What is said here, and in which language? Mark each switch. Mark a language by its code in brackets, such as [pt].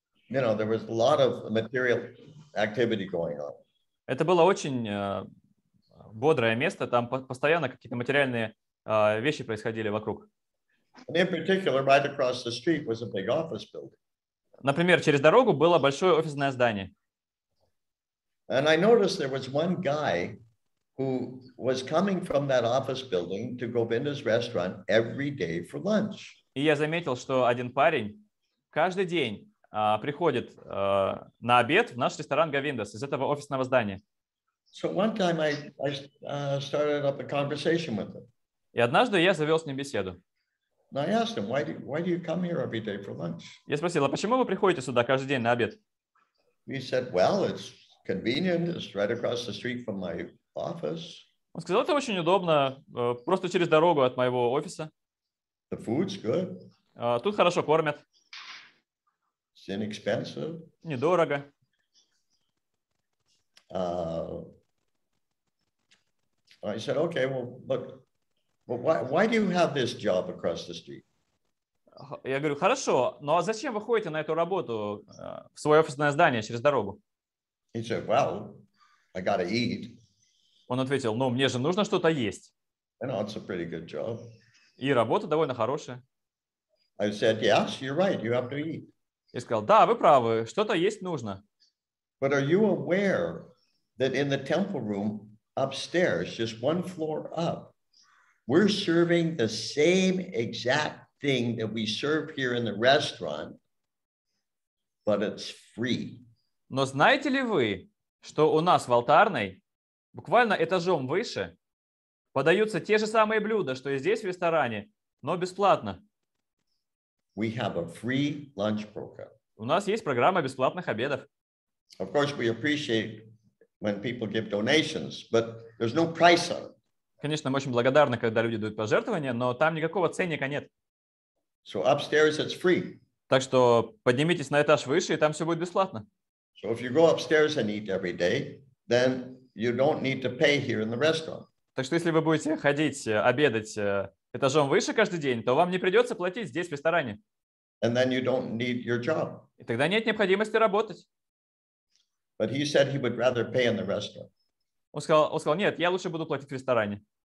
[en] There was a lot of material activity going on. [ru] Это было очень бодрое место. Там постоянно какие-то материальные вещи происходили вокруг. [en] And in particular, right across the street was a big office building. [ru] Например, через дорогу было большое офисное здание. [en] And I noticed there was one guy who was coming from that office building to Govinda's restaurant every day for lunch. [ru] И я заметил, что один парень каждый день приходит на обед в наш ресторан Govinda's из этого офисного здания. [en] So one time I started up a conversation with him. [ru] И однажды я завел с ним беседу. [en] And I asked him, why do you come here every day for lunch? [ru] Я спросил, а почему вы приходите сюда каждый день на обед? [en] He said, well, it's convenient. It's right across the street from my office. [ru] Он сказал, это очень удобно, просто через дорогу от моего офиса. [en] The food's good. [ru] Тут хорошо кормят. [en] It's inexpensive. [ru] Недорого. [en] I said, okay, well, look, why do you have this job across the street? [ru] Я говорю, хорошо, но зачем вы ходите на эту работу в свое офисное здание через дорогу? [en] He said, well, I gotta eat. [ru] Он ответил, ну, мне же нужно что-то есть. [en] You know, it's a pretty good job. [ru] И работа довольно хорошая. [en] I said, yes, you're right, you have to eat. [ru] И сказал, да, вы правы, что-то есть нужно. [en] But are you aware that in the temple room upstairs, just one floor up, we're serving the same exact thing that we serve here in the restaurant, but it's free. [ru] Но знаете ли вы, что у нас в алтарной, буквально этажом выше, подаются те же самые блюда, что и здесь в ресторане, но бесплатно. [en] We have a free lunch program. [ru] У нас есть программа бесплатных обедов. [en] Of course, we appreciate when people give donations, but there's no price on it. [ru] Конечно, мы очень благодарны, когда люди дают пожертвования, но там никакого ценника нет. [en] So upstairs it's free. [ru] Так что поднимитесь на этаж выше, и там все будет бесплатно. [en] So if you go upstairs and eat every day, then you don't need to pay here in the restaurant. [ru] Так что если вы будете ходить обедать этажом выше каждый день, то вам не придется платить здесь, в ресторане. [en] And then you don't need your job. [ru] И тогда нет необходимости работать. [en] But he said he would rather pay in the restaurant. [ru] Он сказал, нет, я лучше буду платить в ресторане.